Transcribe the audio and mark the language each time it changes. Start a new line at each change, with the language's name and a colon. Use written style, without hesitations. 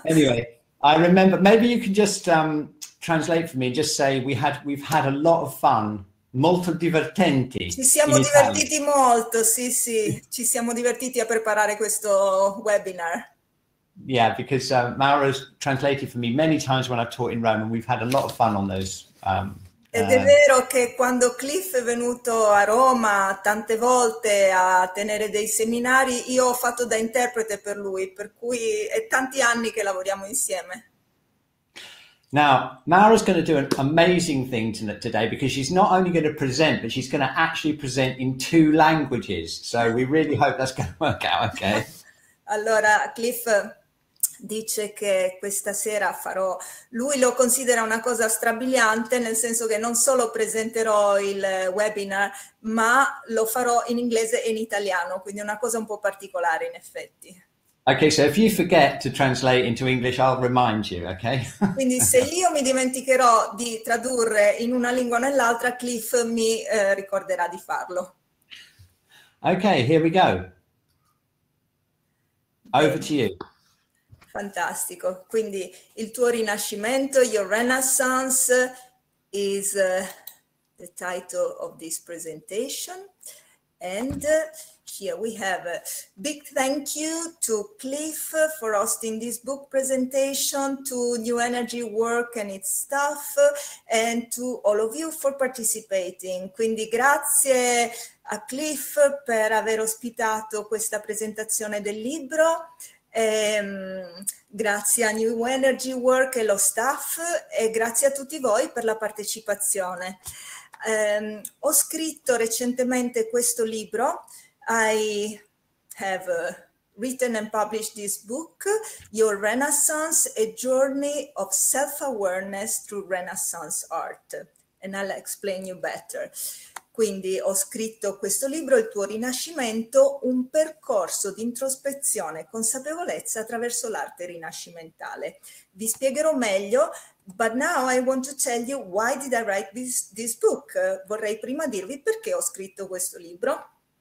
English: Anyway, I remember, maybe you can just translate for me and just say we've had a lot of fun.
Italian: Molto divertenti. Ci siamo divertiti molto, sì. Ci siamo divertiti a preparare questo webinar.
English: Yeah, because Maura's translated for me many times when I've taught in Rome and we've had a lot of fun on those.
Italian: Ed è vero che quando Cliff è venuto a Roma tante volte a tenere dei seminari, io ho fatto da interprete per lui, per cui è tanti anni che lavoriamo insieme.
English: Now, Maura's going to do an amazing thing today because she's not only going to present, but she's going to actually present in two languages. So we really hope that's going to work out okay.
Italian: Allora, Cliff dice che questa sera farò, lui lo considera una cosa strabiliante, nel senso che non solo presenterò il webinar, ma lo farò in inglese e in italiano, quindi è una cosa un po' particolare in effetti.
English: Okay, so if you forget to translate into English, I'll remind you, okay?
Italian: Quindi se io mi dimenticherò di tradurre in una lingua o nell'altra, Cliff mi ricorderà di farlo.
English: Okay, here we go. Over to you.
Italian: Fantastico. Quindi il tuo rinascimento,
English: your renaissance, is the title of this presentation. And here we have a big thank you to Cliff for hosting this book presentation, to New Energy Work and its staff, and to all of you for participating.
Italian: Quindi grazie a Cliff per aver ospitato questa presentazione del libro. Grazie a New Energy Work e lo staff e grazie a tutti voi per la partecipazione. Ho scritto recentemente questo libro.
English: I have written and published this book, Your Renaissance, A Journey of Self-Awareness Through Renaissance Art. And I'll explain you better.
Italian: Quindi ho scritto questo libro, Il tuo rinascimento, un percorso di introspezione e consapevolezza attraverso l'arte rinascimentale. Vi spiegherò meglio,
English: but now I want to tell you why did I write this book.
Italian: Vorrei prima dirvi perché ho scritto questo libro.